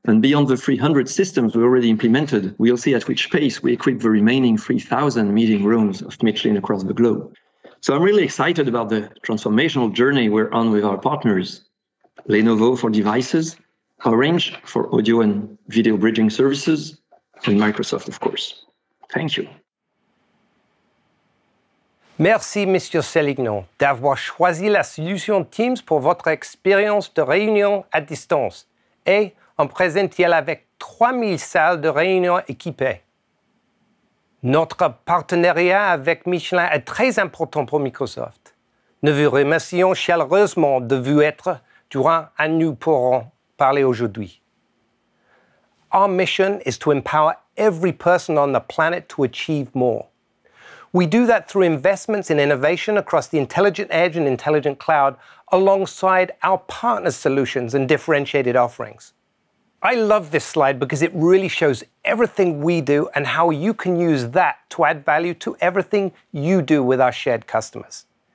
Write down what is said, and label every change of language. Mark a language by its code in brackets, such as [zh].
[en] And beyond the 300 systems we already implemented, we'll see at which pace we equip the remaining 3,000 meeting rooms of Michelin across the globe. So I'm really excited about the transformational journey we're on with our partners. Lenovo for devices, Orange for audio and video bridging services, and Microsoft, of course. Thank you. [fr] Merci, Monsieur Seligno, d'avoir choisi la solution Teams pour votre expérience de réunion à distance et en présentiel avec 3000 salles de réunion équipées. Notre partenariat avec Michelin est très important pour Microsoft. Nous vous remercions chaleureusement de vous être durant à nous pourrons parler aujourd'hui. [en] Our mission is to empower every person on the planet to achieve more. We do that through investments in innovation across the intelligent edge and intelligent cloud, alongside our partner solutions and differentiated offerings. I love this slide because it really shows everything we do and how you can use that to add value to everything you do with our shared customers.